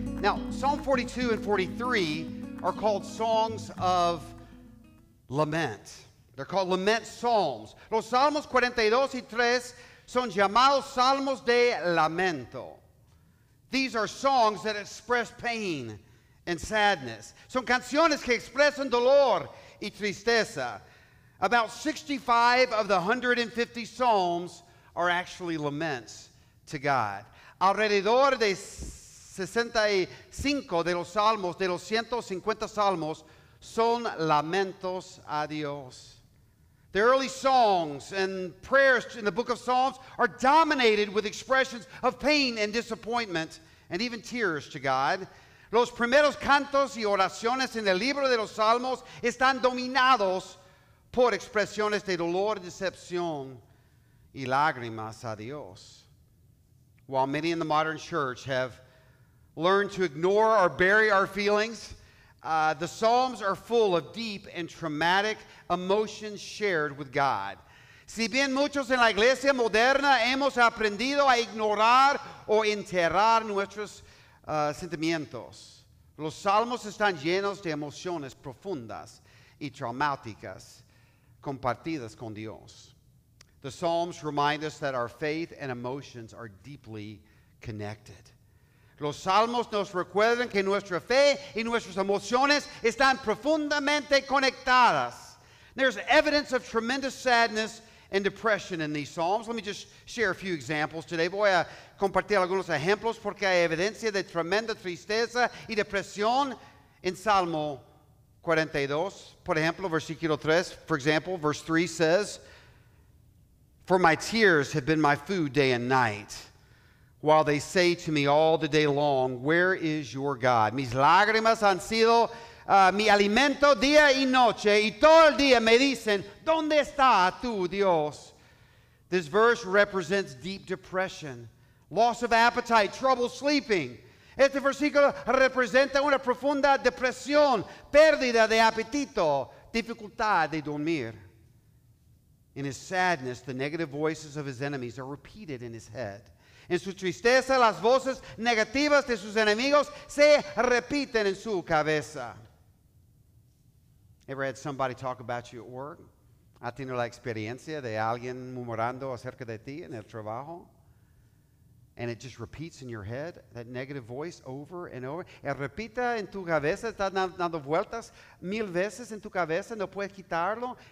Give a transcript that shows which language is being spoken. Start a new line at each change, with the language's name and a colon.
English: Now, Psalm 42 and 43 are called songs of lament. They're called lament psalms.
Spanish: Los Salmos 42 y 3 son llamados Salmos de Lamento.
English: These are songs that express pain and sadness.
Spanish: Son canciones que expresan dolor y tristeza.
English: About 65 of the 150 psalms are actually laments to God.
Spanish: Alrededor de 65 de los salmos, de los 150 salmos, son lamentos a Dios.
English: The early songs and prayers in the book of Psalms are dominated with expressions of pain and disappointment and even tears to God.
Spanish: Los primeros cantos y oraciones en el libro de los salmos están dominados por expresiones de dolor, decepción y lágrimas a Dios.
English: While many in the modern church have learned to ignore or bury our feelings, the Psalms are full of deep and traumatic emotions shared with God.
Spanish: Si bien muchos en la iglesia moderna hemos aprendido a ignorar o enterrar nuestros sentimientos, los Salmos están llenos de emociones profundas y traumáticas compartidas con Dios.
English: The Psalms remind us that our faith and emotions are deeply connected.
Spanish: Los Salmos nos recuerdan que nuestra fe y nuestras emociones están profundamente conectadas.
English: There's evidence of tremendous sadness and depression in these Psalms. Let me just share a few examples today.
Spanish: Voy a compartir algunos ejemplos porque hay evidencia de tremenda tristeza y depresión en Salmo 42. Por ejemplo, versículo 3,
English: for example, verse 3 says, "For my tears have been my food day and night, while they say to me all the day long, where is your God?
Spanish: Mis lágrimas han sido mi alimento día y noche, y todo el día me dicen, ¿dónde está tu Dios?"
English: This verse represents deep depression, loss of appetite, trouble sleeping.
Spanish: Este versículo representa una profunda depresión, pérdida de apetito, dificultad de dormir.
English: In his sadness, the negative voices of his enemies are repeated in his head.
Spanish: En su tristeza, las voces negativas de sus enemigos se repiten en su cabeza.
English: Ever had somebody talk about you at work?
Spanish: ¿Ha tenido la experiencia de alguien murmurando acerca de ti en el trabajo?
English: And it just repeats in your head, that negative voice over and over.
Spanish: El repita en tu cabeza, está dando vueltas mil veces en tu cabeza, no puedes quitarlo.